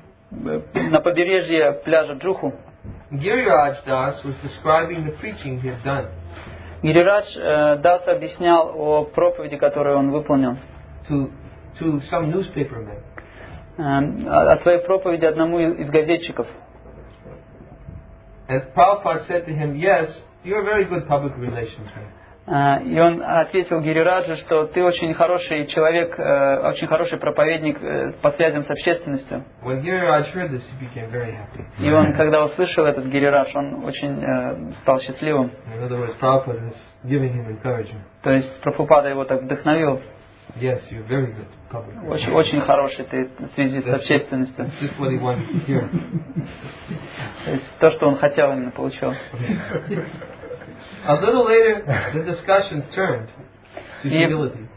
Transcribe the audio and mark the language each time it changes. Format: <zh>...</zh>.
<ru>На побережье пляжа Джуху.</ru> <en>Girirach Das was describing the preaching he had done.</en> <ru>Girirach Das объяснял о проповеди, которую он выполнил.</ru> <en>To some newspaper man.</en> <ru>О своей проповеди одному из газетчиков.</ru> <en>And Prabhupada said to him, "Yes, you're a very good public relations man."</en> <ru>И он ответил Гирираджу, что ты очень хороший человек, очень хороший проповедник по связям с общественностью.</ru> <en>Well, Girirach heard this, he became very happy.</en> <ru>И он, когда услышал этот Гирирадж, он очень стал счастливым.</ru> <en>In other words, Prabhupada is giving him encouragement.</en> <ru>То есть Прабхупада его так вдохновил.</ru> <en>Yes, you're very good public.</en> <ru>Очень хороший ты в связи с общественностью.</ru> <en>That's just what he wanted to hear.</en> <ru>То есть то, что он хотел, именно получил.</ru> <en>A little later, the discussion turned to humility.</en>